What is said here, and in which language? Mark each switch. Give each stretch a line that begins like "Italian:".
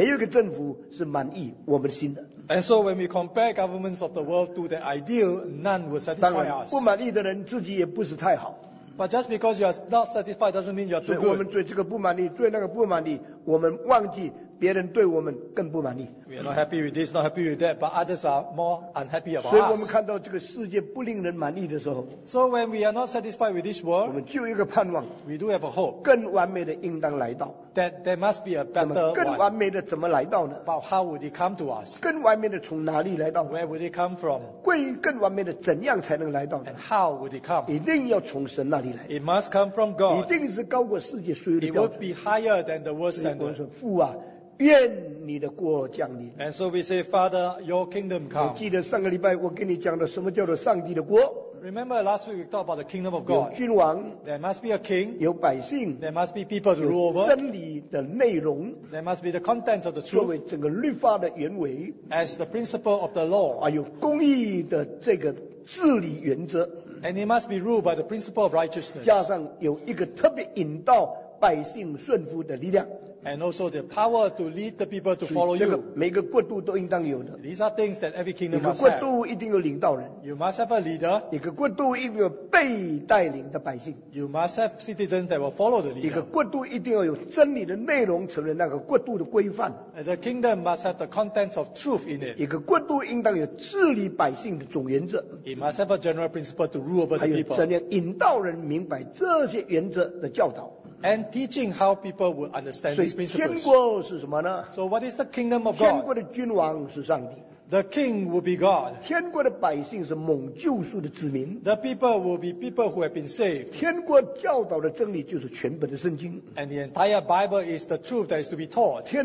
Chinese: 当我们把这个最绝对的观念当作标准来看的时候，世界没有一个政府是满意我们心的。
English: And so when we compare governments of the world to their ideal, none will satisfy us.
Chinese: 当然，不满意的人自己也不是太好。
English: But just because you are not satisfied doesn't mean you are too good.
Chinese: 所以我们对这个不满意，对那个不满意，我们忘记别人对我们更不满意。
English: We are not happy with this, not happy with that, but others are more unhappy about us.
Chinese: 所以我们看到这个世界不令人满意的时候,
English: so when we are not satisfied with this world,
Chinese: 我们就有一个盼望,
English: we do have a hope,
Chinese: 更完美的应当来到,
English: that there must be a better one.
Chinese: 更完美的怎么来到呢?
English: But how would it come to us?
Chinese: 更完美的从哪里来到?
English: Where would it come from?
Chinese: 更完美的怎样才能来到呢?
English: And how would it come?
Chinese: 一定要从神那里来。
English: It must come from God.
Chinese: 一定是高过世界所有的标准。
English: It would be higher than the world standard.
Chinese: 所以我说父啊, 愿你的国降临。
English: And so we say, Father, your kingdom come.
Chinese: 我记得上个礼拜我跟你讲的什么叫做上帝的国。
English: Remember last week we talked about the kingdom of God.
Chinese: 有君王,
English: there must be a king.
Chinese: 有百姓,
English: there must be people to rule over.
Chinese: 真理的内容,
English: there must be the content of the truth.
Chinese: 作为整个律法的原委,
English: as the principle of the law.
Chinese: 还有公义的这个治理原则,
English: and it must be ruled by the principle of righteousness.
Chinese: 加上有一个特别引导百姓顺服的力量,
English: and also the power to lead the people to follow you.
Chinese: 每个国度都应当有的,
English: these are things that every kingdom must have.
Chinese: 每个国度一定有领导人,
English: you must have a leader.
Chinese: 每个国度一定有被带领的百姓,
English: you must have citizens that will follow the leader.
Chinese: 每个国度一定要有真理的内容成为那个国度的规范,
English: and the kingdom must have the contents of truth in it.
Chinese: 每个国度应当有治理百姓的总原则,
English: it must have a general principle to rule over the people.
Chinese: 还有怎样引导人明白这些原则的教导,
English: and teaching how people would understand these principles.
Chinese: 天国是什么呢?
English: So what is the kingdom of God?
Chinese: 天国的君王是上帝,
English: the king will be God.
Chinese: 天国的百姓是蒙救赎的子民,
English: the people will be people who have been saved.
Chinese: 天国教导的真理就是全本的圣经,
English: and the entire Bible is the truth that is to be taught.